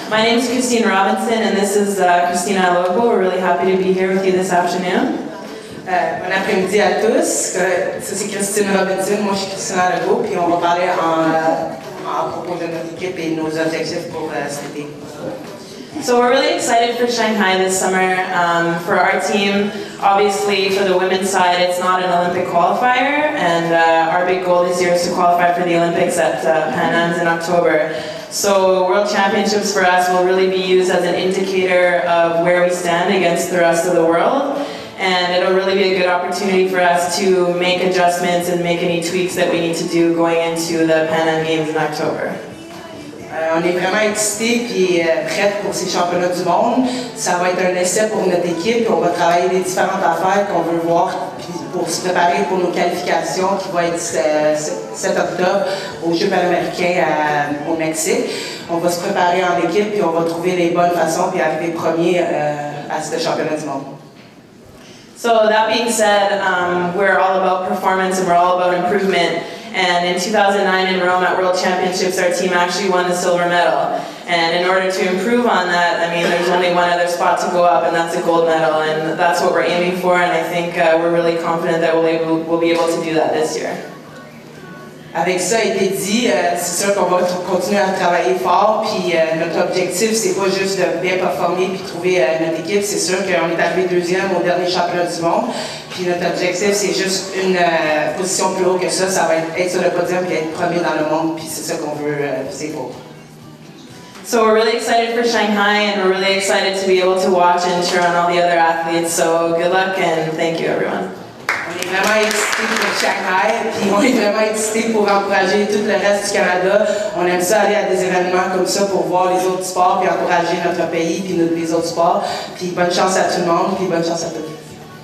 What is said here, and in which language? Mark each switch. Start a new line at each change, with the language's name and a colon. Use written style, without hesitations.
English: My name is Christine Robinson, and this is Christina Alopo. We're really happy to be here with you this afternoon.
French: Bon après-midi à tous. Ça, c'est Christine Robinson. Moi, je suis Christina Alopo, puis on va parler en à propos de notre équipe et nos objectifs pour cet été.
English: So we're really excited for Shanghai this summer. For our team, obviously for the women's side, it's not an Olympic qualifier, and our big goal this year is to qualify for the Olympics at Pan Ams in October. So World Championships for us will really be used as an indicator of where we stand against the rest of the world, and it'll really be a good opportunity for us to make adjustments and make any tweaks that we need to do going into the Pan Am Games in October.
French: On est vraiment excités et prêts pour ces championnats du monde. Ça va être un essai pour notre équipe. On va travailler des différentes affaires qu'on veut voir pour se préparer pour nos qualifications qui vont être cet octobre aux Jeux panaméricains au Mexique. On va se préparer en équipe et on va trouver les bonnes façons et arriver premier à ce championnat du monde.
English: So that being said, we're all about performance and we're all about improvement. And in 2009 in Rome at World Championships, our team actually won the silver medal. And in order to improve on that, I mean, there's only one other spot to go up, and that's a gold medal. And that's what we're aiming for, and I think we're really confident that we'll be able to do that this year.
French: Avec ça a été dit, c'est sûr qu'on va continuer à travailler fort, puis notre objectif, c'est pas juste de bien performer puis trouver notre équipe, c'est sûr qu'on est arrivé deuxième au dernier championnat du monde, puis notre objectif, c'est juste une position plus haut que ça, ça va être sur le podium puis être premier dans le monde, puis c'est ça qu'on veut, c'est beau.
English: So we're really excited for Shanghai, and we're really excited to be able to watch and cheer on all the other athletes, so good luck and thank you everyone.
French: On est vraiment excités pour Shanghai, puis on est vraiment excités pour encourager tout le reste du Canada. On aime ça aller à des événements comme ça pour voir les autres sports, puis encourager notre pays, puis les autres sports. Puis bonne chance à tout le monde, puis bonne chance à tous.